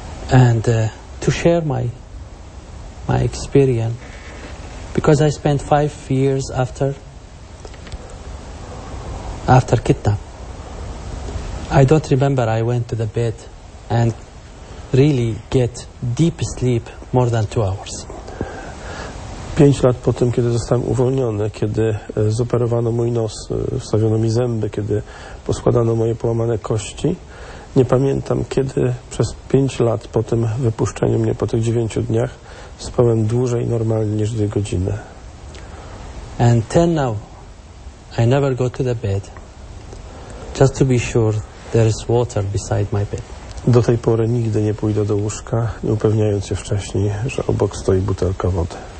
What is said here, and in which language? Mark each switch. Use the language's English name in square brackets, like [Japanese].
[English] And to share my experience, because I spent 5 years after kidnap. I don't remember I went to the bed and really get deep sleep more than 2 hours. [Polish] 5 lat po tym, kiedy zostałem uwolniony, kiedy zoperowano mój nos, wstawiono mi zęby, kiedy poskładano moje połamane kości, nie pamiętam, kiedy przez 5 lat po tym wypuszczeniu mnie, po tych 9 dniach, spałem dłużej normalnie niż 2 godziny. [English] And till now, I never go to the bed, just to be sure there is water beside my bed. [Polish] Do tej pory nigdy nie pójdę do łóżka, nie upewniając się wcześniej, że obok stoi butelka wody.